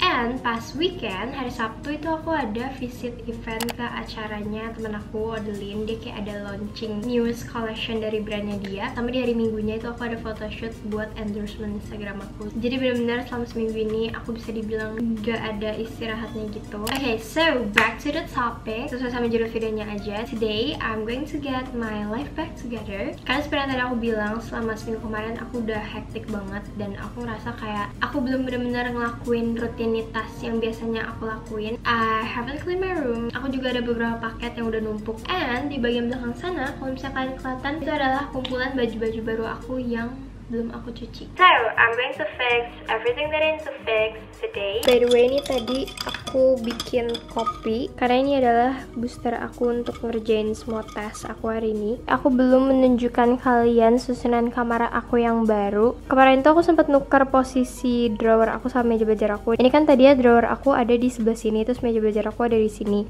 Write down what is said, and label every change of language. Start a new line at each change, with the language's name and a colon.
Indonesian: And pas weekend, hari Sabtu itu aku ada visit event ke acaranya temen aku, Adeline. Dia kayak ada launching newest collection dari brandnya dia. Sama di hari Minggunya itu aku ada photoshoot buat endorsement Instagram aku. Jadi benar-benar selama seminggu ini aku bisa dibilang gak ada istirahatnya gitu.
English: Okay, so back to the topic.
Indonesian: Sesuai sama judul videonya aja.
English: Today I'm going to get my life back together.
Indonesian: Karena seperti yang tadi aku bilang, selama seminggu kemarin aku udah hektik banget. Dan aku ngerasa kayak aku belum benar-benar ngelakuin rutinitas yang biasanya aku lakuin.
English: I haven't cleaned my room.
Indonesian: Aku juga ada beberapa paket yang udah numpuk. And di bagian belakang sana, kalau misalnya kalian kelihatan, itu adalah kumpulan baju-baju baru aku yang belum aku cuci.
English: So, I'm going to fix everything that I need to fix today.
Indonesian: By the way, ini tadi aku bikin kopi. Karena ini adalah booster aku untuk ngerjain semua tes aku hari ini. Aku belum menunjukkan kalian susunan kamar aku yang baru. Kemarin tuh aku sempat nuker posisi drawer aku sama meja belajar aku. Ini kan tadi ya drawer aku ada di sebelah sini, terus meja belajar aku ada di sini.